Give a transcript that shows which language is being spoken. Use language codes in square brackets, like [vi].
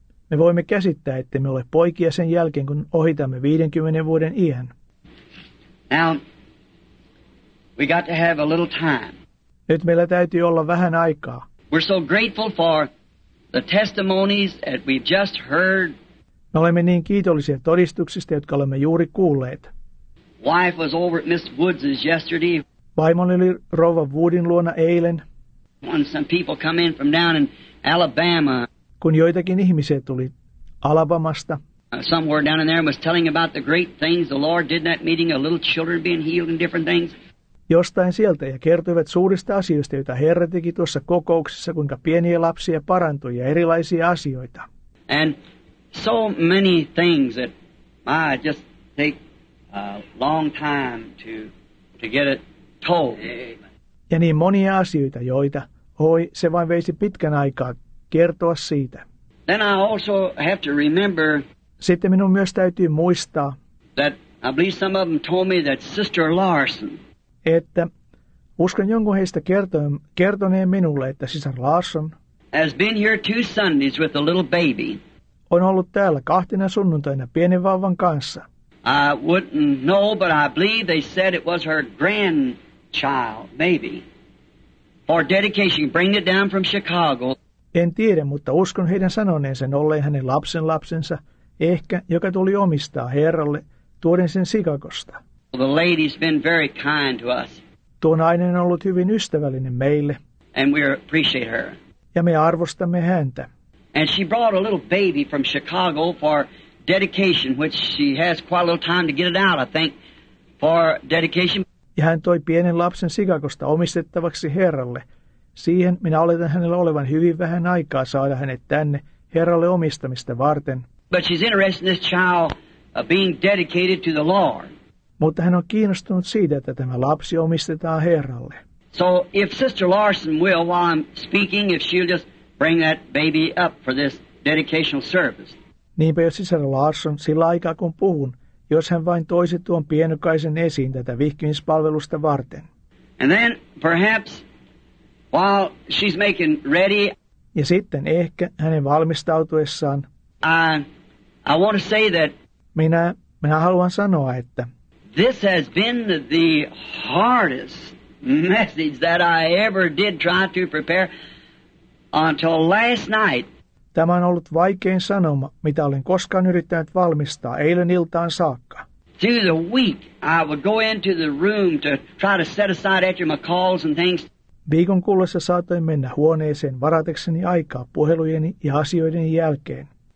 [fi] Me voimme käsittää, että me ole poikia sen jälkeen, kun ohitamme 50 vuoden iän. [en] Now, we got to have a little time. [fi] Nyt meillä täytyy olla vähän aikaa. [en] We're so grateful for the testimonies that we've just heard. [fi] Me olemme niin kiitollisia todistuksista, jotka olemme juuri kuulleet. [en] Wife was over at Miss Woods's yesterday. [fi] Vaimoni oli rouva Woodin luona eilen. [en] When some people come in from down in Alabama. [fi] Kun joitakin ihmisiä tuli Alabamasta. [en] Somewhere down in there was telling about the great things the Lord did in that meeting, a little children being healed and different things. [fi] Jostain sieltä ja kertoivat suurista asioista, joita Herra teki tuossa kokouksessa, kuinka pieniä lapsia parantui ja erilaisia asioita. [en] And so many things that I just take a long time to get it told. [fi] Ja niin monia asioita, joita, oi, se vain veisi pitkän aikaa kertoa siitä. [en] Then I also have to remember. [fi] Sitten minun myös täytyy muistaa. [en] That I believe some of them told me that Sister Larson. [fi] Että uskon jonkun heistä kertoneen minulle, että sisar Larson. [en] Has been here two Sundays with a little baby. [fi] On ollut täällä kahtina sunnuntaina pienen vauvan kanssa. [en] I wouldn't know, but I believe they said it was her grandchild, maybe. For dedication, bring it down from Chicago. [fi] En tiedä, mutta uskon heidän sanoneen sen olleen hänen lapsenlapsensa, ehkä joka tuli omistaa herralle, tuoden sen Chicagosta. [en] The lady's been very kind to us. [fi] Tuo nainen on ollut hyvin ystävällinen meille. [en] And we appreciate her. [fi] Ja me arvostamme häntä. [en] And she brought a little baby from Chicago for dedication, which she has quite a little time to get it out, I think, for dedication. [fi] Ja hän toi pienen lapsen Chicagosta omistettavaksi herralle. Siihen minä oletan hänellä olevan hyvin vähän aikaa saada hänet tänne herralle omistamista varten. [en] But she's interested in this child being dedicated to the Lord. [fi] Mutta hän on kiinnostunut siitä, että tämä lapsi omistetaan herralle. [en] So if Sister Larson will, while I'm speaking, if she'll just bring that baby up for this dedicational service. [fi] Niinpä jos sisar Larson sillä aikaa kun puhun, jos hän vain toisi tuon pienukaisen esiin tätä vihkimispalvelusta varten. [en] And then perhaps while she's making ready. [fi] Ja sitten ehkä hänen valmistautuessaan. [en] I want to say that. [fi] Minä haluan sanoa, että. [en] This has been the hardest message that I ever did try to prepare until last night. [fi] Tämä on ollut vaikein sanoma, mitä olen koskaan yrittänyt valmistaa eilen iltaan saakka. [en] Through the week, I would go into the room to try to set aside after my calls and things. [fi] Viikon kuluessa saatoin mennä huoneeseen varatekseni aikaa puhelujeni ja asioiden jälkeen.